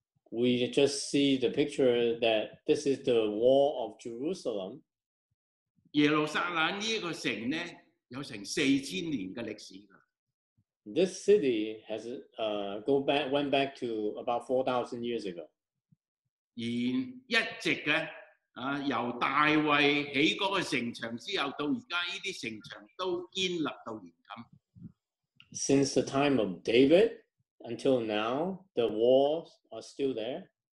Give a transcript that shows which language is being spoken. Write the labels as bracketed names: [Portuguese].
[English] We just see the picture that this is the wall of Jerusalem. [Cantonese] 耶路撒冷呢個城呢，有成4000年嘅歷史㗎。 [English] This city has went back to about 4,000 years ago. [Cantonese] 而一直嘅，由大衛起嗰個城牆之後，到而家呢啲城牆都堅立到如今。 [English] Since the time of David until now, the walls are still there.